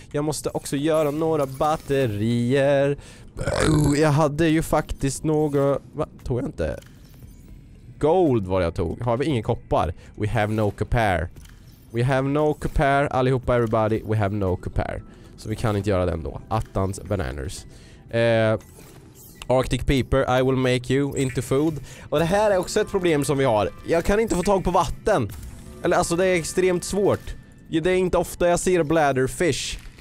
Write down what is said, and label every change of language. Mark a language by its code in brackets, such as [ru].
[sv] Jag måste också göra några batterier. Jag hade ju faktiskt några. Va? Tog jag inte? Gold var jag tog. Har vi ingen koppar? [en] We have no copper. We have no copper. [sv] Allihopa, [en] everybody. We have no copper. [sv] Så vi kan inte göra den då. Attans bananas. [en] Arctic Paper, I will make you into food. [sv] Och det här är också ett problem som vi har. Jag kan inte få tag på vatten. Eller alltså, det är extremt svårt. Det är inte ofta jag ser bladderfish.